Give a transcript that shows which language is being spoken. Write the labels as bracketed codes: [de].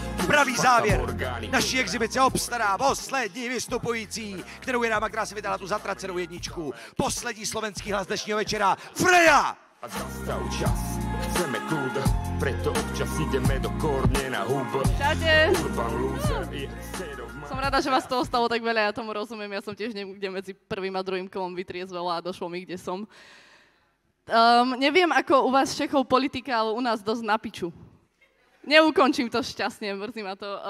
[cs] Pravý závěr naší exibice obstará poslední vystupující, kterou je dáma, která si vydala tu zatracenou jedničku. Poslední slovenský hlas dnešního večera, Freja! [sk] A zastav čas, chceme kud, preto občas ideme do korně na hub. Čaute! Som rada, že vás to ostalo tak veľa, ja tomu rozumiem. Ja som tiež niekde medzi prvým a druhým kolom vytriezvela a došlo mi, kde som. Neviem, ako u vás Čechov politika, ale u nás dosť na piču. Neukončím to šťastne, mrzí ma to.